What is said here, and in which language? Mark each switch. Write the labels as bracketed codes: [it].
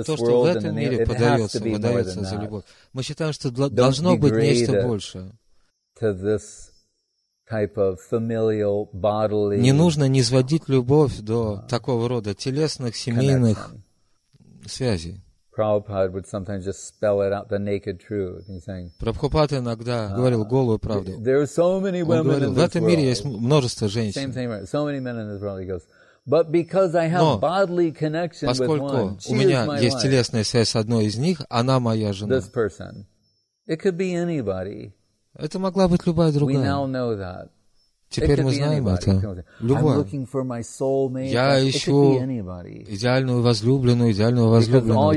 [ru] а то, что в этом мире подается, выдается за любовь. Мы считаем, что должно быть нечто большее. [en] To this type of familial, bodily, [ru] не нужно низводить любовь до такого рода телесных, семейных связей. [en] Prabhupada would sometimes just spell it out, the naked truth. He's saying. [ru] Прабхупад иногда говорил голую правду. [en] There are so many women in this world. [ru] В этом мире есть множество женщин. [en] Same thing, right? So many men in this world. He goes, but because I have bodily connection with one, she is my wife. [ru] У меня есть телесная связь с одной из них, она моя жена. [en] This person, it could be anybody. [ru] Это могла быть любая другая. [en] We now know that. [ru] Теперь мы знаем это. Любое. Я ищу идеальную возлюбленную, идеального возлюбленного.